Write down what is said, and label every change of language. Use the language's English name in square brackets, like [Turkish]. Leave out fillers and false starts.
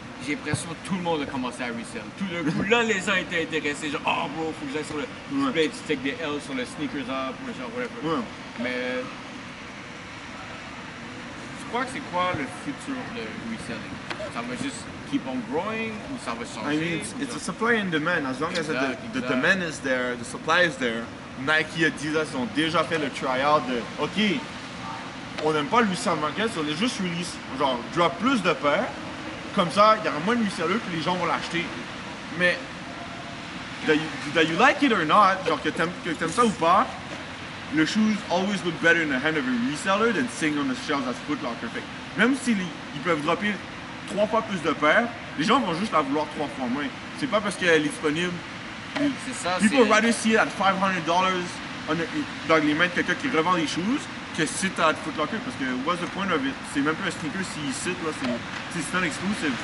[French] J'ai l'impression que tout le monde a commencé à resell. Tout d'un coup, là les gens étaient intéressés, genre, oh bro, faut que j'aille sur le. Ouais. Tu take des L sur le sneakers up, ou genre, whatever. Ouais. Mais. Tu crois que c'est quoi le futur de reselling? Ça va juste [English] keep on growing [French] ou ça va changer? [English] I mean, it's a supply and demand. As long as the demand is there, the supply is there. [French] Nike et Adidas ont déjà fait le tryout de OK, on n'aime pas le 800 market, on est juste release, genre drop plus de paires, comme ça, il y aura moins de 800 et les gens vont l'acheter. [English] Mais, that you like it or not, [French] genre que t'aimes ça ou pas, [English] le shoes always look better in the hand of a reseller than sitting on the shelves at Foot Locker. [French] Fait, même s'ils peuvent dropper trois fois plus de paires, les gens vont juste la vouloir trois fois moins. C'est pas parce qu'elle est disponible. C'est ça, [English] people would rather see it at $500 [French] dans les mains de quelqu'un qui revend les choses que si t'as de Foot Locker, parce que [English] what's the point of it? [French] C'est même plus un sneaker s'il cite, c'est un exclusive.